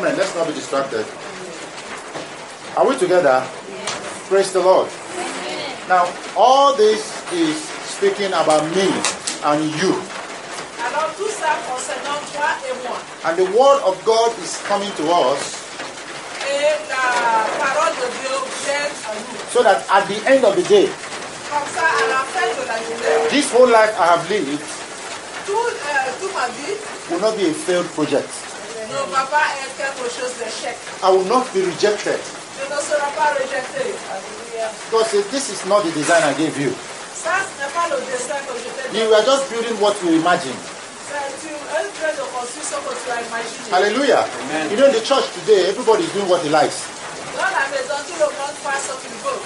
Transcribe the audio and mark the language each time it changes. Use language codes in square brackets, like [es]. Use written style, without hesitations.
[en] Amen. Let's not be distracted. Are we together? Yes. Praise the Lord. Amen. Now, all this is speaking about me and you. [fr] Alors, tout ça concernant toi et moi. [en] And the word of God is coming to us. [fr] Et la parole de Dieu vient à nous. [en] So that at the end of the day, [fr] comme ça, à la fin de la journée, [en] this whole life I have lived, [fr] tout ma vie, [en] will not be a failed project. [fr] Ne va pas être quelque chose d'échec. [en] I will not be rejected. [fr] Je ne serai pas rejeté. [en] Because this is not the design I gave you. [fr] Ça, ce n'est pas le dessin que je t'ai donné. [en] You are just building what you imagine. Hallelujah. Amen. You know, in the church today, everybody is doing what he likes. [fr] Dans la maison, tout le monde fait ce qu'il veut.